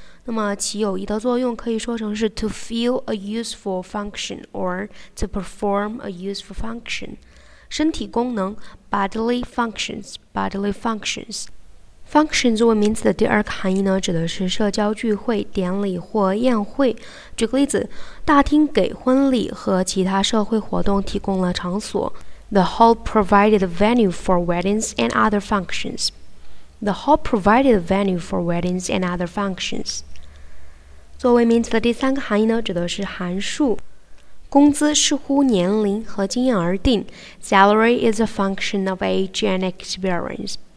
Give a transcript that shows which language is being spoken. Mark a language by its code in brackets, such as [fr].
[zh] 那么其有益的作用可以说成是 [en] to fill a useful function [zh] or to perform a useful function。身体功能 [en] bodily functions, bodily functions。 [zh] Function 作为名词的第二个含义呢，指的是社交聚会、典礼或宴会。举个例子，大厅给婚礼和其他社会活动提供了场所。 [en] The hall provided a venue for weddings and other functions. The hall provided a venue for weddings and other functions. [zh] 作为名词的第三个含义呢，指的是函数。工资视乎年龄和经验而定。 [en] Salary is a function of age and experience.